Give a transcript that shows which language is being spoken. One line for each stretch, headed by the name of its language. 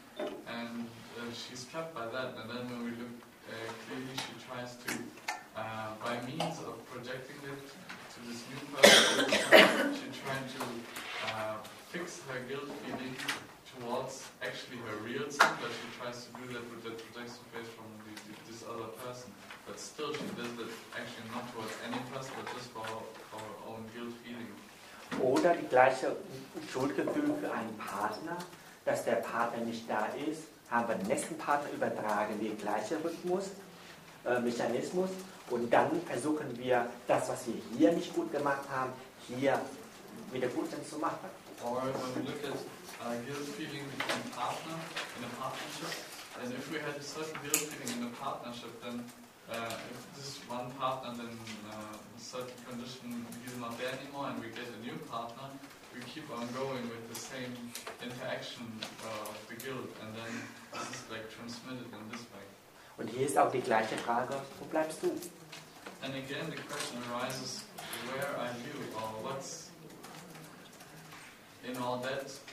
English: And she's trapped by that. And then when we look clearly, she tries to, by means of projecting it, this new person, she's trying to fix her guilt feeling towards actually her real son, but she tries to do that with that protection face from this other person. But still, she does that actually not towards any person, but just for her own guilt feeling.
German: Oder die gleiche Schuldgefühl für einen Partner, dass der Partner nicht da ist, haben wir den nächsten Partner übertragen, den gleichen Rhythmus, Mechanismus. Und dann versuchen wir, das, was wir hier nicht gut gemacht haben, hier wieder gut zu machen.
English: Or when we look at guilt feeling between partner in a partnership, and if we had a certain guilt feeling in a partnership, then if this one partner, then in certain condition, he's not there anymore, and we get a new partner, we keep on going with the same interaction of the guilt, and then this is like transmitted in this way.
German: Und hier ist auch die gleiche Frage, wo bleibst du?
English: And again the question arises, where are you? Or what's in all that?